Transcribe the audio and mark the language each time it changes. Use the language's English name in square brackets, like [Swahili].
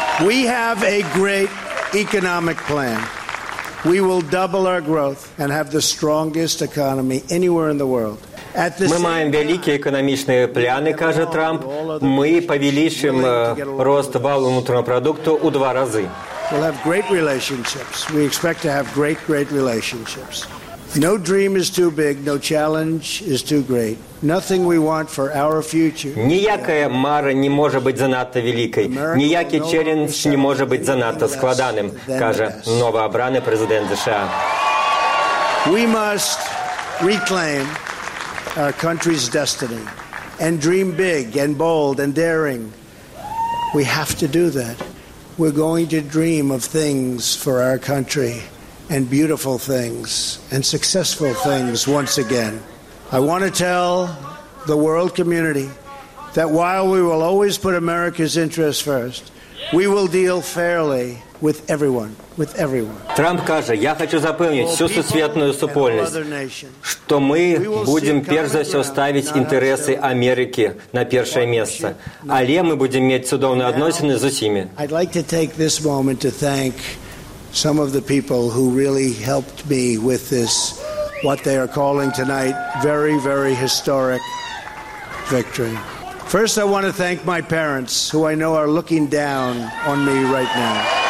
[English] We have a great economic plan. We will double our growth and have the strongest economy anywhere in the world. [Ukrainian] Ми маємо великі економічні плани, каже Трамп. Ми повелічимо ріст валового внутрішнього продукту у два рази. [English] We have great relationships. We expect to have great relationships. No dream is too big, no challenge is too great. Nothing we want for our future. [Ukrainian] Ніяка мара не може бути занадто великою. Ніякий челендж не може бути занадто складним, каже новообраний президент США. [English] We must reclaim our country's destiny and dream big and bold and daring. We have to do that. We're going to dream of things for our country and beautiful things and successful things once again. I want to tell the world community that while we will always put America's interests first, we will deal fairly with everyone. [Ukrainian] Трамп каже, я хочу запевнити всю всесвітню спільність, що ми будемо перш за все ставити інтереси Америки на перше місце, але ми будемо мати чудові відносини з усіма. [English] I'd like to take this moment to thank some of the people who really helped me with this, what they are calling tonight, very, very historic victory. First, I want to thank my parents, who I know are looking down on me right now.